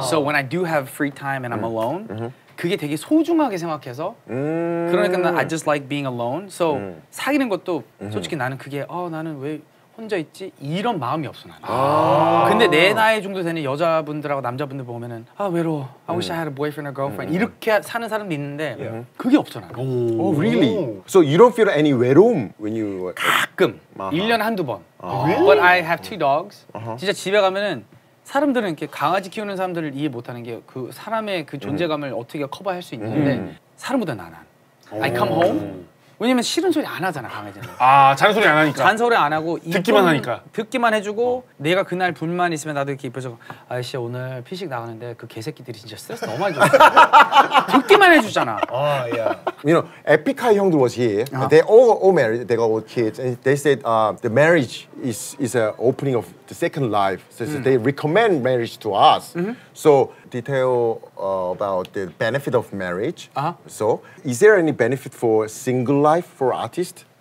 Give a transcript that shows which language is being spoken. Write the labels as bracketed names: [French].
[English] So when I do have free time and I'm mm-hmm. alone, mm-hmm. [Korean] 그게 되게 소중하게 생각해서 그러니까 난 [English] I just like being alone. [Korean] So 사귀는 것도 솔직히 나는 그게 나는 왜 혼자 있지? 이런 마음이 없어 나는. 아~ 근데 내 나이 정도 되는 여자분들하고 남자분들 보면은 아 외로워. [English] I wish I had a boyfriend or girlfriend. [Korean] 이렇게 사는 사람도 있는데 [English] yeah. [Korean] 그게 없어 나는. [English] Oh, really? So you don't feel any 외로움 when you... [Korean] 가끔. Uh-huh. 1년에 한두 번. [English] Really? But I have two dogs. Uh-huh. [Korean] 진짜 집에 가면은 사람들은 이렇게 강아지 키우는 사람들을 이해 못하는 게 그 사람의 그 존재감을 어떻게 커버할 수 있는데 사람보다 나는 [English] I come home [Korean] 왜냐면 싫은 소리 안 하잖아 강아지는 아 잔소리 안 하니까 잔소리 안 하고 듣기만 하니까 듣기만 해주고 내가 그날 불만 있으면 나도 이렇게 입혀서 아저씨 오늘 피식 나가는데 그 개새끼들이 진짜 스트레스 너무 많이 줬어 듣기만 해주잖아 [English] 아 yeah you know Epica 형들 was here uh-huh. they all married they got all kids and they said the marriage is a opening of the second life so, so they recommend marriage to us so detail about the benefit of marriage uh-huh. so is there any benefit for single life for artist